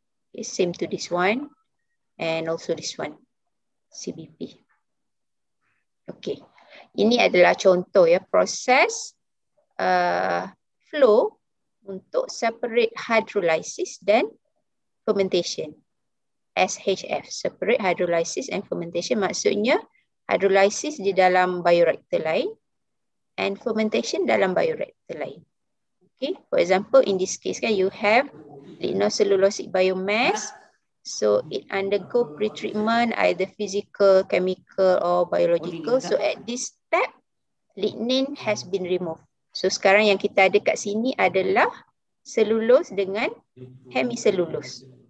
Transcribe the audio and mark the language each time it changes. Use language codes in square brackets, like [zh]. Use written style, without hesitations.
[en] Okay, same to this one and also this one, CBP. Okay. [ms] Ini adalah contoh ya, proses flow untuk separate hydrolysis dan fermentation. SHF, [en] separate hydrolysis and fermentation. [ms] Maksudnya hydrolysis di dalam bioreactor lain and fermentation dalam bioreactor lain. [en] Okay, for example, in this case, you have lignocellulosic biomass. So it undergo pretreatment, either physical, chemical or biological. So at this step, lignin has been removed. [ms] So sekarang yang kita ada kat sini adalah selulos dengan hemiselulos.